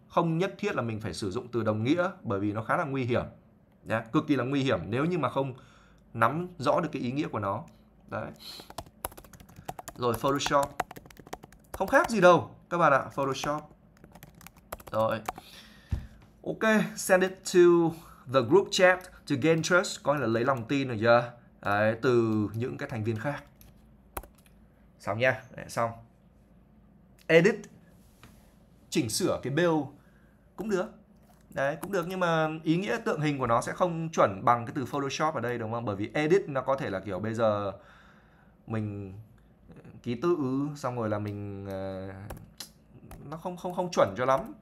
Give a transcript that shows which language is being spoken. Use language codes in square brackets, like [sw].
[vi] Không nhất thiết là mình phải sử dụng từ đồng nghĩa bởi vì nó khá là nguy hiểm. Đấy, cực kỳ là nguy hiểm nếu như mà không nắm rõ được cái ý nghĩa của nó. Đấy. Rồi, Photoshop. Không khác gì đâu các bạn ạ, Photoshop. Rồi. [en] Ok, send it to the group chat to gain trust. [vi] Coi là lấy lòng tin rồi chưa? Đấy, từ những cái thành viên khác. Xong nha, đấy, xong. Edit. Chỉnh sửa cái bill cũng được. Đấy, cũng được. Nhưng mà ý nghĩa tượng hình của nó sẽ không chuẩn bằng cái từ Photoshop ở đây đúng không? Bởi vì edit nó có thể là kiểu bây giờ mình ký tự xong rồi là mình nó không không không chuẩn cho lắm.